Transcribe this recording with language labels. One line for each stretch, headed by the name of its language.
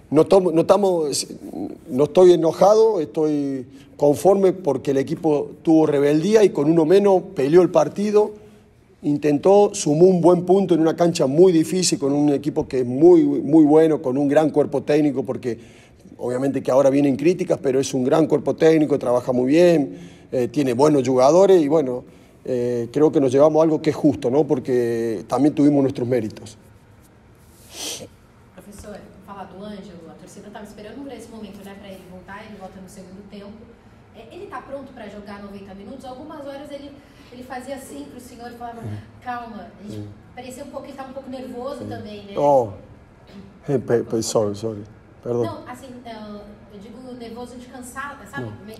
Spanish: No estoy enojado, estoy conforme porque el equipo tuvo rebeldía y con uno menos peleó el partido, intentó, sumó un buen punto en una cancha muy difícil, con un equipo que es muy, muy bueno, con un gran cuerpo técnico, porque obviamente que ahora vienen críticas, pero es un gran cuerpo técnico, trabaja muy bien, tiene buenos jugadores y bueno, creo que nos llevamos algo que es justo, ¿no? Porque también tuvimos nuestros méritos.
Portuguese: Profesor, falar do Ângelo, a torcida estava esperando para esse momento, né? Para ele voltar, ele volta no segundo tempo. Ele está pronto para jogar 90 minutos? Algumas horas ele fazia assim para o senhor e falava, calma. Parecia um pouco, ele estava um pouco nervoso também, né?
English: Oh, sorry.
Spanish: Perdón. No, así, yo digo nervioso, cansado, ¿sabes?